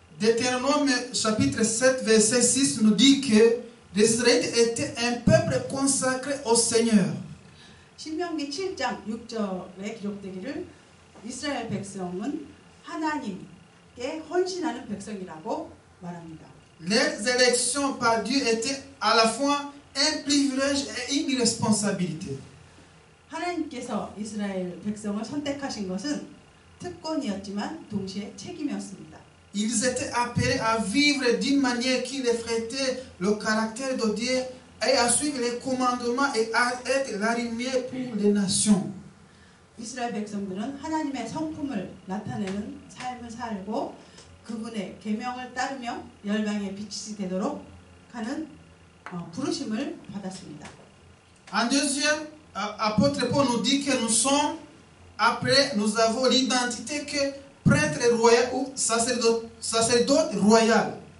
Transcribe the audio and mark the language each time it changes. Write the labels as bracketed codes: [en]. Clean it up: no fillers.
[fr] Deutéronome chapitre 7 verset 6 nous dit que les Israélites étaient un peuple consacré au Seigneur. [ko] 신명기 7장 6절에 기록되기를 이스라엘 백성은 하나님께 헌신하는 백성이라고 말합니다. [fr] Les élections par Dieu étaient à la fois un privilège et une responsabilité. [ko] 하나님께서 이스라엘 백성을 선택하신 것은 특권이었지만 동시에 책임이었습니다. [fr] Ils étaient appelés à vivre d'une manière qui reflétait le caractère de Dieu et à suivre les commandements et à être la lumière pour les nations. [ko] 이스라엘 백성들은 하나님의 성품을 나타내는 삶을 살고 그분의 계명을 따르며 열방의 빛이 되도록 하는 부르심을 받았습니다. [fr] En deuxième, apôtre Paul nous dit que nous sommes Après, nous avons l'identité que prêtre royal ou sacerdote royal.